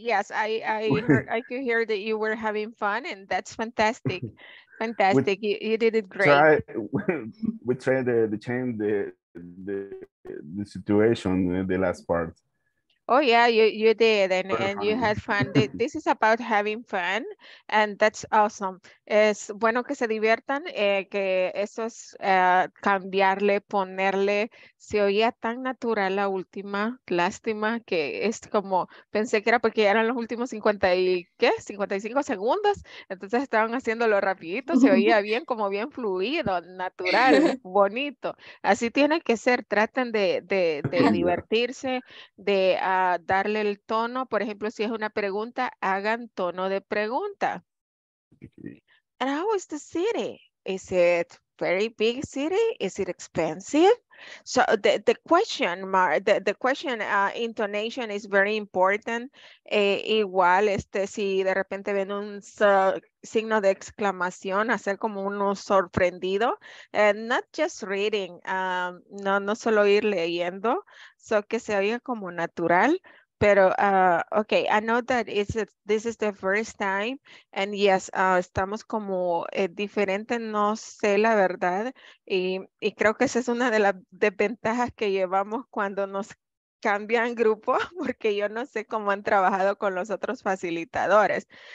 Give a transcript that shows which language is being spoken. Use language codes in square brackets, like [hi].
[en] Yes, I could hear that you were having fun, and that's fantastic. Fantastic. You did it great. We tried to change the situation in the last part. Oh yeah, you did, and you had fun. This is about having fun, and that's awesome. [es] Es bueno que se diviertan, que eso es cambiarle, ponerle. Se oía tan natural la última, lástima, que es como, pensé que era porque ya eran los últimos 55 segundos, entonces estaban haciéndolo rapidito, se oía bien, como bien fluido, natural, bonito. Así tiene que ser, traten de divertirse, de darle el tono, por ejemplo, si es una pregunta, hagan tono de pregunta. [en] And how is the city? Is it very big city? Is it expensive? So the question mark, the question intonation is very important. [es] Igual, si de repente ven un signo de exclamación, hacer como uno sorprendido. [en] Not just reading, [es] no solo ir leyendo, so que se oiga como natural. Pero, [en] okay, I know that it's a, this is the first time, and yes, [es] estamos como diferente, no sé la verdad, y creo que esa es una de las desventajas que llevamos cuando nos cambian grupo, porque yo no sé cómo han trabajado con los otros facilitadores.